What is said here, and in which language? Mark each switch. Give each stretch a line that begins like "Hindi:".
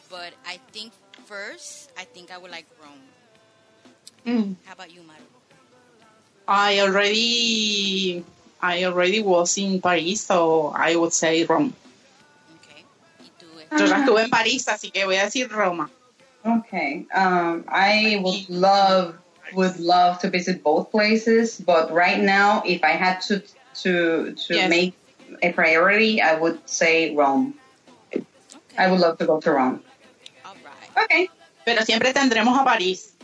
English: But I think first, I would like Rome. How about you, Maru? I already was in Paris, so I would say Rome. Okay.
Spanish: Yo ya estuve en París, así que voy a decir Roma.
English: Okay. I would love to visit both places, but right now, if I had to make a priority, I would say Rome. Okay. I would love to go to Rome. All right. Okay.
Spanish: Pero siempre tendremos a París.